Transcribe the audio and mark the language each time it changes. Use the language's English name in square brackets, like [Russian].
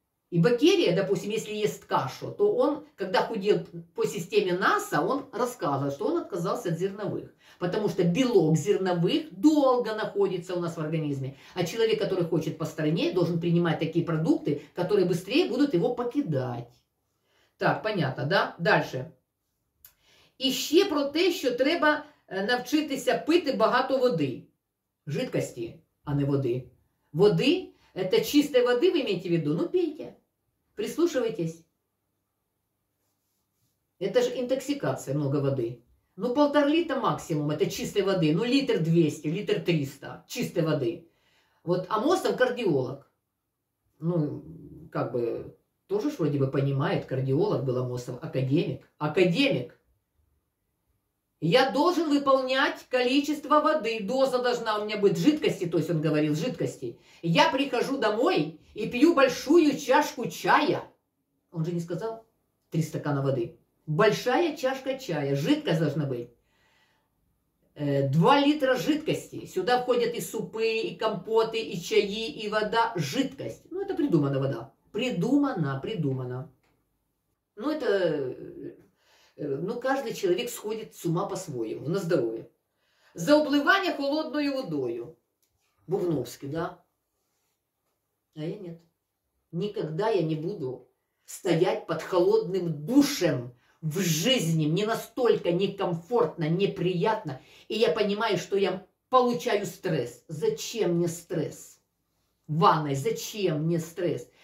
[Russian] И бактерия, допустим, если ест кашу, то он, когда худел по системе НАСА, он рассказывал, что он отказался от зерновых. Потому что белок зерновых долго находится у нас в организме. А человек, который хочет постройнеть, должен принимать такие продукты, которые быстрее будут его покидать. Так, понятно, да? Дальше. [Ukrainian] І ще про те, що треба навчитися пити багато води. [Russian] Жидкості, а не води. Води. Это чистой воды вы имеете в виду? Ну, пейте. Прислушивайтесь. Это же интоксикация, много воды. Ну, 1,5 литра максимум, это чистой воды. Ну, 200 литров, 300 литров чистой воды. Вот Амосов кардиолог. Ну, как бы, тоже ж вроде бы понимает, кардиолог был Амосов, академик. Академик. Я должен выполнять количество воды, доза должна у меня быть, жидкости, то есть он говорил, жидкости. Я прихожу домой и пью большую чашку чая. Он же не сказал 3 стакана воды. Большая чашка чая, жидкость должна быть. 2 литра жидкости. Сюда входят и супы, и компоты, и чаи, и вода. Жидкость. Ну, это придумана вода. Придумана. Ну, это... Ну, каждый человек сходит с ума по-своему, на здоровье. [Ukrainian] За обливання холодною водою. [Russian] Бубновский, да? А я нет. Никогда я не буду стоять под холодным душем в жизни. Мне настолько некомфортно, неприятно. И я понимаю, что я получаю стресс. Зачем мне стресс? Ванной, зачем мне стресс?